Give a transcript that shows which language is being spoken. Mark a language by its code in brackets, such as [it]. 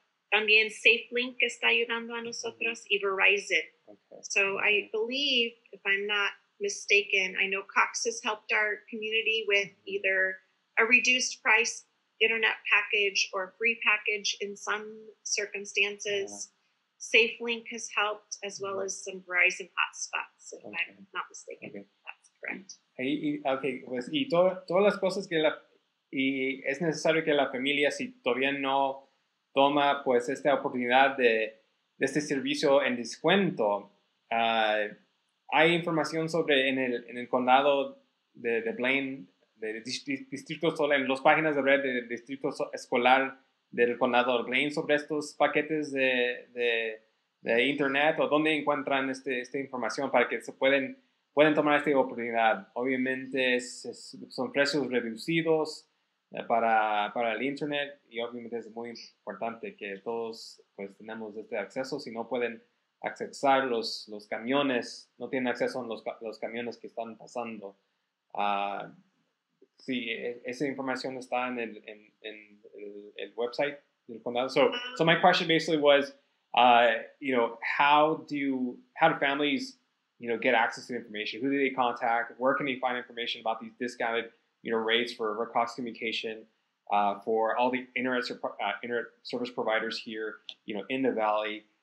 [es] También SafeLink está ayudando a nosotros y Verizon. [en] Okay. I believe, if I'm not mistaken, I know Cox has helped our community with either a reduced price internet package or a free package in some circumstances. Yeah. SafeLink has helped as well as some Verizon hotspots, if I'm not mistaken. Okay. That's correct. [es] Okay, pues, y todas las cosas que la... Y es necesario que la familia, si todavía no toma pues esta oportunidad de este servicio en descuento, hay información sobre en el condado de Blaine, de Distrito Solar, en las páginas de red del Distrito Escolar del Condado de Blaine sobre estos paquetes de internet, o dónde encuentran esta información para que se pueden tomar esta oportunidad. Obviamente son precios reducidos para el internet, y obviamente es muy importante que todos pues tenemos este acceso. Si no pueden accesar los camiones, no tienen acceso a los camiones que están pasando, sí, esa información está en el website del condado. [en] So my question basically was, you know, how do families, you know, get access to the information? Who do they contact? Where can they find information about these discounted, you know, rates for Cox Communication, for all the internet service providers here, you know, in the valley,